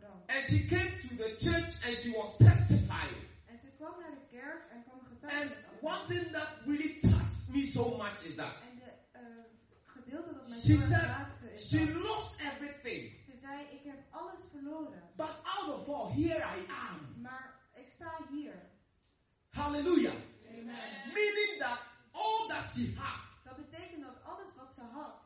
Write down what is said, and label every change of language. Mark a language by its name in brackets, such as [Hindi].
[English] and she came to the church and she was testifying. And she [Dutch] kwam naar de kerk en kwam getuigen. [English] And one thing that really touched me so much is that. [Dutch] En gedeelte dat mij zo raakte. [English] She lost everything. [Dutch] Ze zei ik heb alles verloren. [English] But out of all, here I am. [Dutch] Maar ik sta hier. Hallelujah. Amen. [English] Meaning that all that she has. [Dutch] Dat betekent dat alles wat ze had.